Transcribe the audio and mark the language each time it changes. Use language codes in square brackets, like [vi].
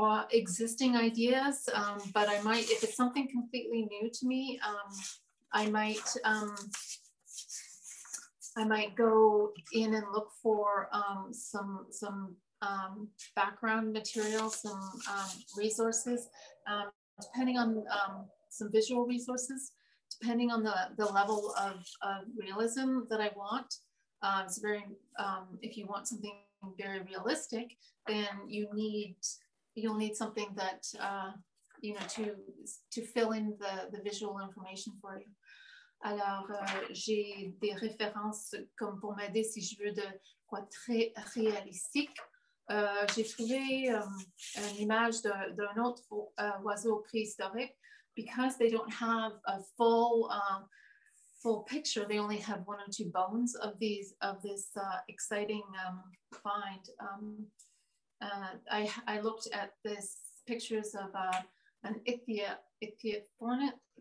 [en] existing ideas, but I might, if it's something completely new to me, I might go in and look for some background material, some resources, depending on some visual resources, depending on the level of realism that I want. It's very, if you want something very realistic, then you'll need something that, you know, to fill in the visual information for you. [fr] Alors, j'ai des références comme pour m'aider si je veux de quoi très réaliste. J'ai trouvé une image d'un autre oiseau préhistorique. [en] Because they don't have a full picture, they only have one or two bones of these of this exciting find. I looked at this pictures of an ichthyornis.